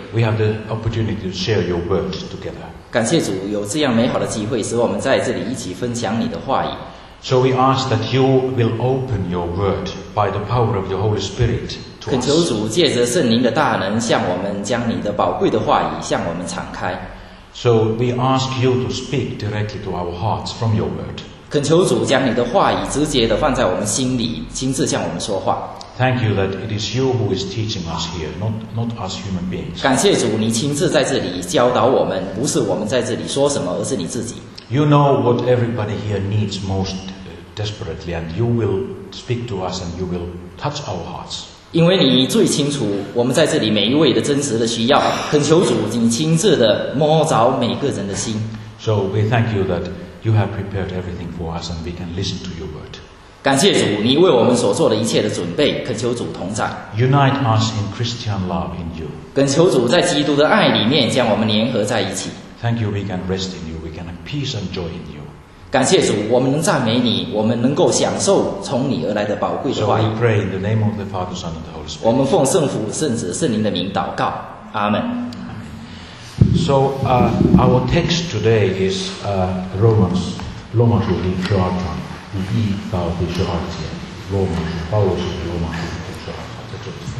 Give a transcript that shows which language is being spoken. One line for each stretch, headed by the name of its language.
English: We have the opportunity to share your word together.
Chinese: 感谢主有这样美好的机会，使我们在这里一起分享你的话语。
English: So we ask that you will open your word by the power of your Holy Spirit to us.
Chinese: 恳求主借着圣灵的大能，向我们将你的宝贵的话语向我们敞开。
English: So we ask you to speak directly to our hearts from your word.
Chinese: 恳求主将你的话语直接地放在我们心里，亲自向我们说话。
English: Thank you that it is you who is teaching us here, not us human beings.
Chinese: 感谢主，你亲自在这里教导我们，不是我们在这里说什么，而是你自己。
English: You know what everybody here needs most desperately, and you will speak to us, and you will touch our hearts.
Chinese: 因为你最清楚我们在这里每一位的真实的需要，恳求主你亲自地摸着每个人的心。
English: So we thank you that. You have prepared everything for us, and we can listen to your word.
Chinese: 感谢主，你为我们所做的一切的准备，恳求主同在。
English: Unite us in Christian love in you.
Chinese: 恳求主在基督的爱里面将我们联合在一起。
English: Thank you, we can rest in you, we can have peace and joy in you.
Chinese: 感谢主，我们能赞美你，我们能够享受从你而来的宝贵的话语。
English: So we pray in the name of the Father, Son, and the Holy Spirit.
Chinese: 我们奉圣父、圣子、圣灵的名祷告，阿门。
English: So our text today is Romans
Chinese: 12章第1到第12节。罗马书，保罗是罗马书第十二章，在这里。